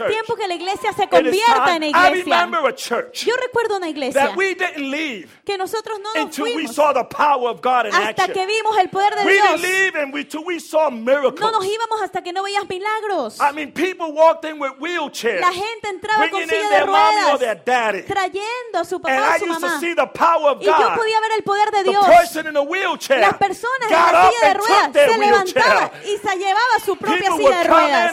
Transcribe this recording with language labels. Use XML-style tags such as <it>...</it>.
<es>Es tiempo que la iglesia se convierta en iglesia.</es> <en>I remember a church.</en> <es>Yo recuerdo una iglesia.</es> <en>That we didn't leave.</en> <es>Que nosotros no nos fuimos.</es> <en>Until we saw the power of God in action.</en> <es>Hasta que vimos el poder de Dios.</es> <en>We didn't leave and until we saw miracles.</en> <es>No nos íbamos hasta que no veíamos milagros.</es> <en>I mean, people walked in with wheelchairs.</en> <es>La gente entraba con silla de ruedas.</es> <en>Or their daddy.</en> <es>Trayendo a su papá o su mamá.</es> <en>And I used to see the power of God.</en> <es>Y yo podía ver el poder de Dios.</es> <en>The person in the wheelchair.</en> <es>Las personas en la silla de ruedas, se levantaba y se llevaba su propia silla de ruedas.</es>